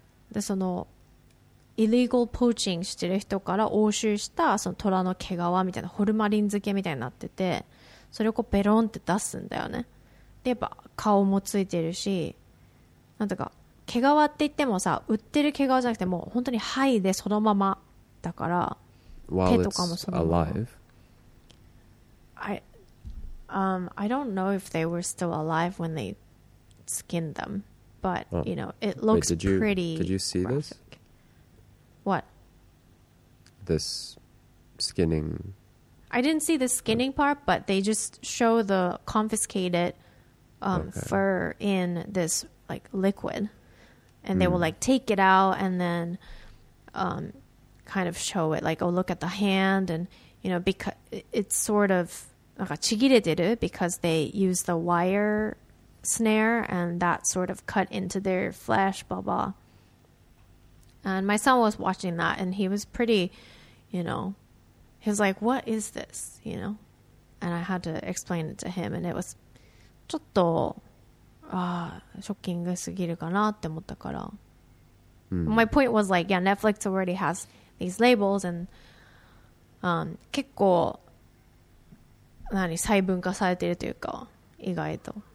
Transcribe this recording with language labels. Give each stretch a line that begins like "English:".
Japanese: でそのイリーゴルポーチングしてる人から押収したその虎の毛皮みたいなホルマリン漬けみたいになってて、それをこうベロンって出すんだよね。でやっぱ顔もついてるし、なんとか毛皮って言ってもさ、売ってる毛皮じゃなくてもう本当に剥いでそのままだから、手とかもそのまま。
English: I don't know if they were still alive when they skinned them, but you know it looks pretty. Did you see this? What? This skinning. I didn't see the skinning part, but they just show the confiscated fur in this like liquid, and they will like take it out and then kind of show it, like, oh, look at the hand, and you know, because it's sort of
Japanese: なんかちぎれてる
English: because they use the wire snare and that sort of cut into their flesh, blah blah. And my son was watching that, and he was pretty, you know. He was like, what is this? You know? And I had to explain it to him. And it was
Japanese: ちょっと、ショッキングすぎるかなって思ったから。Mm.
English: My point was like, yeah, Netflix already has these labels.
Japanese: And 結構何細分化されているというか、意外と。